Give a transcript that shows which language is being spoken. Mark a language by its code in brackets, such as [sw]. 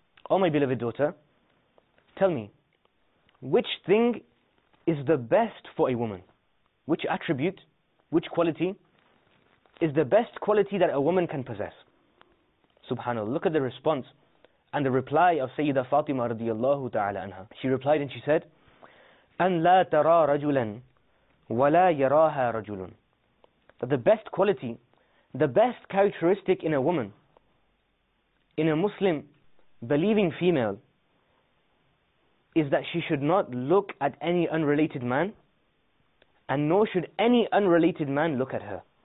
[en] O my beloved daughter, tell me, which thing is the best for a woman? Which attribute, which quality is the best quality that a woman can possess? SubhanAllah, look at the response and the reply of Sayyida Fatima radiyallahu ta'ala anha. She replied and she said, [ar] أَنْ لَا تَرَى رَجُلًا وَلَا يَرَاهَا رَجُلٌ. [en] That the best quality, the best characteristic in a woman, in a Muslim believing female, is that she should not look at any unrelated man, and nor should any unrelated man look at her.